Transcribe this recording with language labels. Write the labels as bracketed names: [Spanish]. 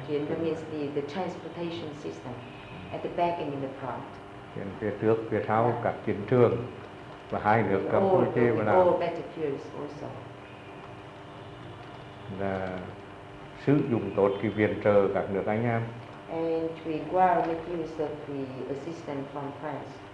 [English] Tuyến đường means the transportation system at the back and in the front. [Vietnamese] Tuyến phía trước, phía sau, các chiến trường và hai nước Campuchia và Lào. [English] All battlefields also. [Vietnamese] Là sử dụng tốt cái viện trợ các nước anh em. [English] And we will make use of the assistance from France.